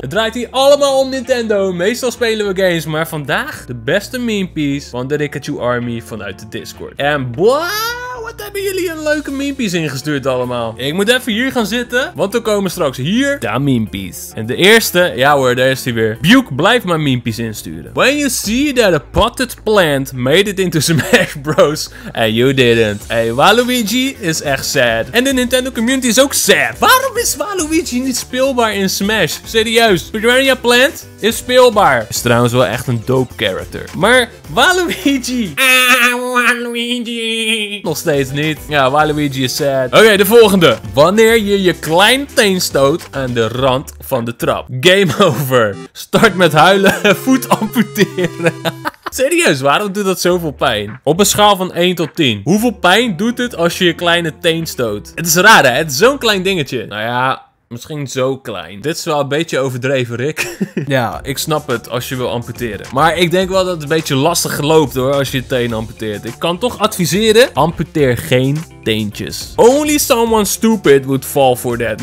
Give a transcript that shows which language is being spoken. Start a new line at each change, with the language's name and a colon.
Dutch: Het draait hier allemaal om Nintendo, meestal spelen we games, maar vandaag de beste meme-pies van de Rikachu Army vanuit de Discord. En wat hebben jullie een leuke meme-pies ingestuurd allemaal. Ik moet even hier gaan zitten, want er komen straks hier de meme-pies. En de eerste, ja hoor, daar is hij weer. Buke, blijf maar meme-pies insturen.
English: When you see that a potted plant made it into Smash Bros. And you didn't.
Dutch: Hey, Waluigi is echt sad. En de Nintendo community is ook sad. Waarom is Waluigi niet speelbaar in Smash? Serieus, Piranha Plant is speelbaar. Is trouwens wel echt een dope character. Maar Waluigi... Waluigi. Nog steeds niet. Ja, Waluigi is sad. Oké, de volgende. Wanneer je je klein teen stoot aan de rand van de trap. Game over. Start met huilen, voet amputeren. Serieus, waarom doet dat zoveel pijn? Op een schaal van 1 tot 10. Hoeveel pijn doet het als je je kleine teen stoot? Het is raar, hè? Het is zo'n klein dingetje. Nou ja... Misschien zo klein. Dit is wel een beetje overdreven, Rick. Ja, ik snap het als je wil amputeren. Maar ik denk wel dat het een beetje lastig loopt hoor, als je je teen amputeert. Ik kan toch adviseren, amputeer geen teentjes.
English: Only someone stupid would fall for that.